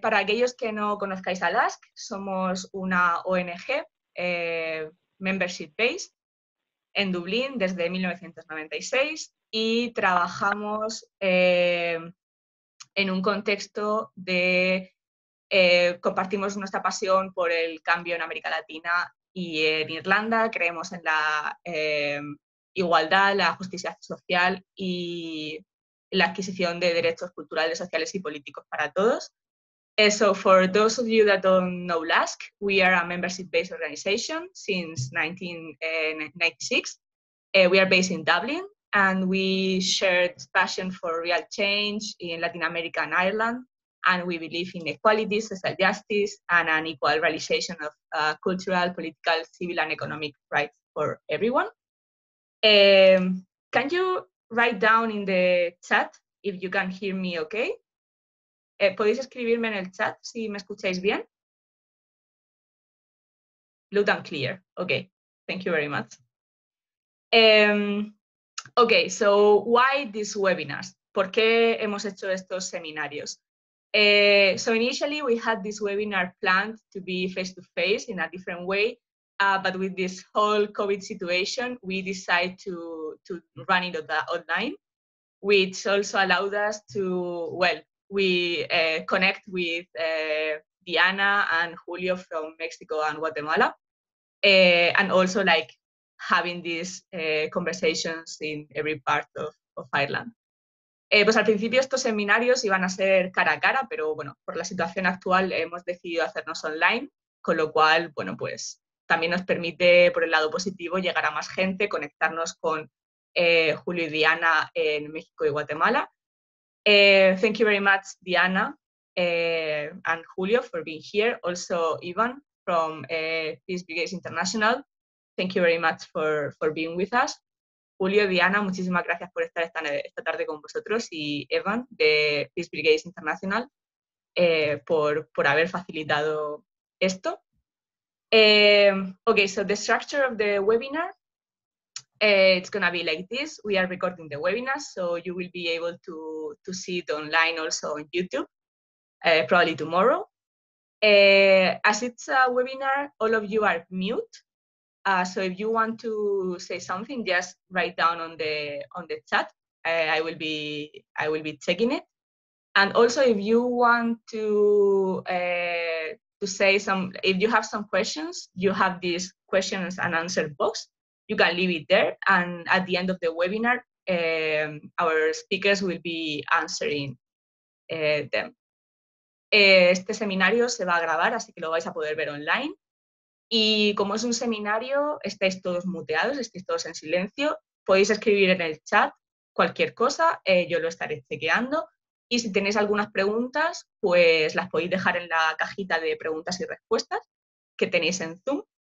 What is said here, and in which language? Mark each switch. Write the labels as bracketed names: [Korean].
[Spanish] Para aquellos que no conozcáis a LASC, somos una ONG membership-based en Dublín desde 1996 y trabajamos en un contexto de... compartimos nuestra pasión por el cambio en América Latina y en Irlanda, creemos en la igualdad, la justicia social y la adquisición de derechos culturales, sociales y políticos para todos. [English] So for those of you that don't know LASC, we are a membership-based organization since 1996. We are based in Dublin and we shared passion for real change in Latin America and Ireland, and we believe in equality, social justice, and an equal realization of cultural, political, civil, and economic rights for everyone. Can you write down in the chat if you can hear me okay? [Spanish] ¿Podéis escribirme en el chat si me escucháis bien? [English] Loud and clear. Okay, thank you very much. Okay, so why these webinars? [Spanish] ¿Por qué hemos hecho estos seminarios? [English] So initially we had this webinar planned to be face to face in a different way, but with this whole COVID situation, we decided to run it online, which also allowed us to, well, we connect with Diana and Julio from Mexico and Guatemala, and also like having these conversations in every part of Ireland. [Spanish] Pues al principio estos seminarios iban a ser cara a cara, pero bueno, por la situación actual hemos decidido hacernos online, con lo cual, bueno, pues también nos permite, por el lado positivo, llegar a más gente, conectarnos con Julio y Diana en México y Guatemala. [English] Thank you very much, Diana and Julio, for being here. Also, Ivan from Peace Brigades International. Thank you very much for being with us. [Spanish] Julio, Diana, muchísimas gracias por estar esta tarde con vosotros. Y Ivan, de Peace Brigades International, por haber facilitado esto. [English] Okay, so the structure of the webinar. It's going to be like this. We are recording the webinar, so you will be able to see it online also on YouTube, probably tomorrow. As it's a webinar, all of you are mute. So if you want to say something, just write down on the chat. I will be checking it. And also, if you want to say if you have some questions, you have these questions and answer box. You can leave it there, and at the end of the webinar, our speakers will be answering them. [Spanish] Este seminario se va a grabar, así que lo vais a poder ver online. Y como es un seminario, estáis todos muteados, estáis todos en silencio. Podéis escribir en el chat cualquier cosa, yo lo estaré chequeando. Y si tenéis algunas preguntas, pues las podéis dejar en la cajita de preguntas y respuestas que tenéis en Zoom.